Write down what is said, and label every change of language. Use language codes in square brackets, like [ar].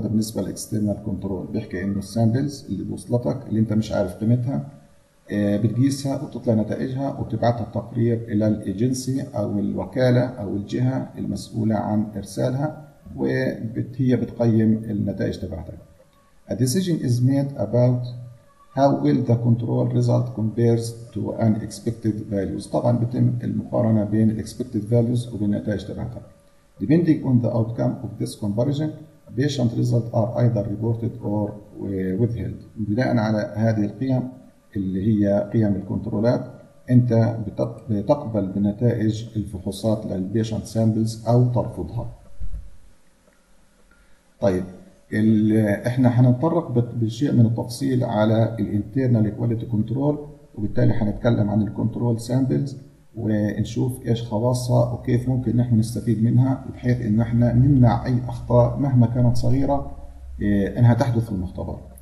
[ar] هذا بالنسبه للاكسترنال كنترول بيحكي انه السامبلز اللي وصلتك اللي انت مش عارف قيمتها بتقيسها وتطلع نتائجها وتبعتها التقرير الى الايجنسي او الوكاله او الجهه المسؤوله عن ارسالها وهي بتقيم النتائج تبعتك. [en] A decision is made about how will the control result compares to unexpected values. [ar] طبعا بتم المقارنه بين [en] expected values [ar] وبين النتائج تبعتها. [en] Depending on the outcome of this comparison, patient results are either reported or withheld. [ar] بناء على هذه القيم اللي هي قيم الكنترولات انت بتقبل بنتائج الفحوصات للبيشنت سامبلز او ترفضها. طيب احنا هنتطرق بشيء من التفصيل على الانترنال كواليتي كنترول وبالتالي هنتكلم عن الكنترول سامبلز ونشوف ايش خواصها وكيف ممكن نحن نستفيد منها بحيث ان احنا نمنع اي اخطاء مهما كانت صغيره انها تحدث في المختبر.